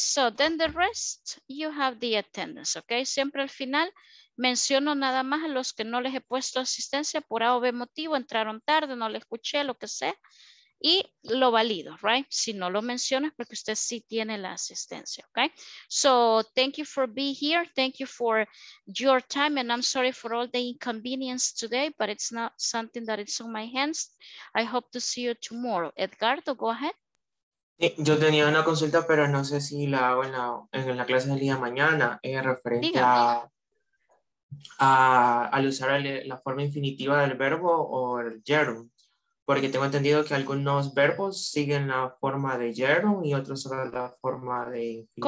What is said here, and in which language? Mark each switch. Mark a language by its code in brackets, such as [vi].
[en] So then the rest, you have the attendance, okay? [es] Siempre al final menciono nada más a los que no les he puesto asistencia por A o B motivo, entraron tarde, no les escuché, lo que sea. Y lo valido, right? Si no lo mencionas, porque usted sí tiene la asistencia, okay? [en] So thank you for being here. Thank you for your time. And I'm sorry for all the inconvenience today, but it's not something that is on my hands. I hope to see you tomorrow. Edgardo, go ahead. [es] Yo tenía una consulta, pero no sé si la hago en la clase del día mañana, referente al usar la forma infinitiva del verbo o el gerund. Porque tengo entendido que algunos verbos siguen la forma de gerund y otros son la forma de infinitivo.